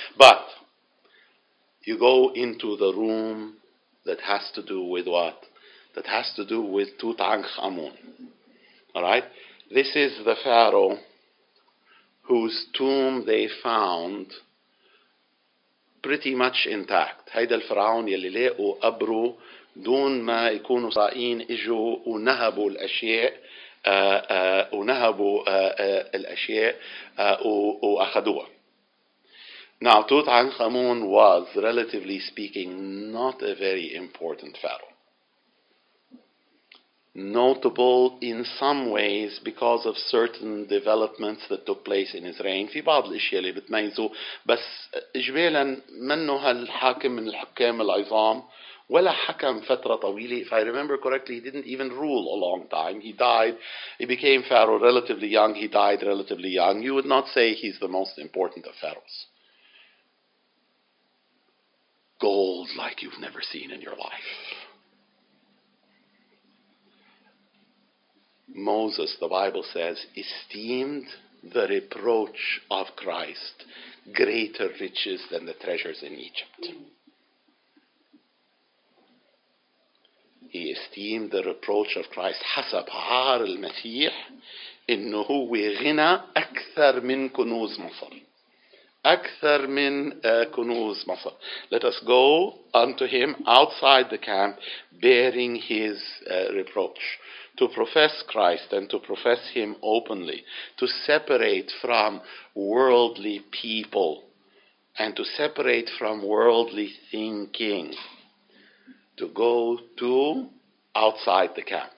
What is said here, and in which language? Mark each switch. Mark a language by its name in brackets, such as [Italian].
[English] But you go into the room that has to do with what? That has to do with Tutankhamun. All right. This is the Pharaoh whose tomb they found pretty much intact. [Arabic] هيدا الفرعون يلي لقوا قبره دون ما يكونوا سائين اجوا ونهبوا الأشياء ونهبوا الأشياء وأخذوها. [English] Now Tutankhamun was, relatively speaking, not a very important Pharaoh. Notable in some ways because of certain developments that took place in his reign. [Arabic] في بعض الأشياء اللي بتميزه بس إجمالا منه هالحاكم من الحكام العظام ولا حكم فترة طويلة. [English] If I remember correctly, he didn't even rule a long time. He died. He became Pharaoh relatively young. He died relatively young. You would not say he's the most important of Pharaohs. gold like you've never seen in your life. Moses, the Bible says, esteemed the reproach of Christ greater riches than the treasures in Egypt. He esteemed the reproach of Christ [Arabic] حسب عار المسيح إنه هو غنى أكثر من كنوز مصر. أكثر من كنوز مصر. [English] Let us go unto him outside the camp bearing his reproach. To profess Christ and to profess him openly, to separate from worldly people and to separate from worldly thinking, to go to outside the camp.